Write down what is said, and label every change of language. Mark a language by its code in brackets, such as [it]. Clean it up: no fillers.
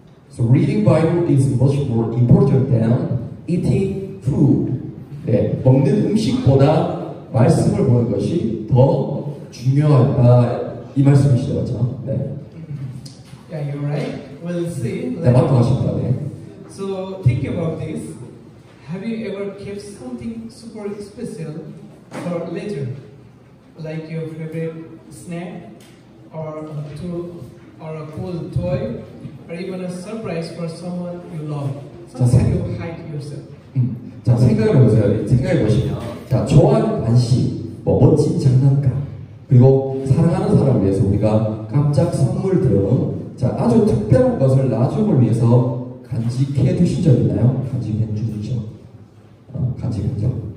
[en] So reading Bible is much more important than eating food. [ko] 네, 먹는 음식보다 말씀을 보는 것이 더 중요하다. 이 말씀이시죠, 그렇죠? 네. [en] Yeah, you're right. We'll see. [ko] 네, 맞습니다. 네. [en] So, think about this. Have you ever kept something super special for later? Like your favorite snack, or a tool, or a cool toy, or even a surprise for someone you love. Something you hide yourself. [ko] 자, 생각해보세요. 생각해보시면. 자, 좋아하는 간식, 뭐 멋진 장난감, 그리고 사랑하는 사람을 위해서 우리가 깜짝 선물 등 자, 아주 특별한 것을 나중을 위해서 간직해 두신 적 있나요? 간직해 주시죠. 어, 간직한 적.